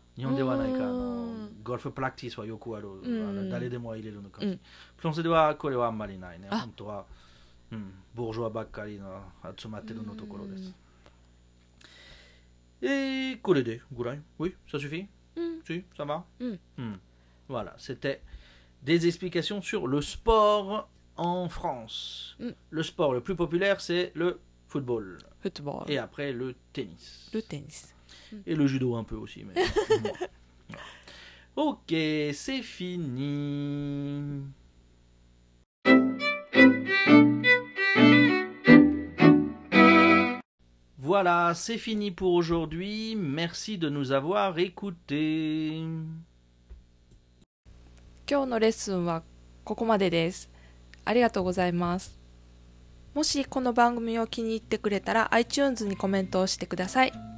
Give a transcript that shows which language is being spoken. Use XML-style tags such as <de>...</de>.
<ja>日本ではないか、ゴルフプラクティスはよくある、うん、あ誰でも入れるの感じ、うん、フランスではこれはあんまりないね、本当は、うん、ボージョアばっかりの集まってるのところです、うん、これでぐらい、おい、</ja> <fr>ça suffit? Tu, ça va? Voilà, c'était des explications sur le sport en France. Le sport le plus populaire, c'est le football. Football. Et après, le tennis. Le tennis. Et le judo un peu aussi. Mais... ok, c'est fini. Voilà, c'est fini pour aujourd'hui. Merci de nous avoir écoutés.</fr> <ja>今日のレッスンはここまでです。ありがとうございます。もしこの番組を気に入ってくれたら、iTunes にコメントをしてください。</ja>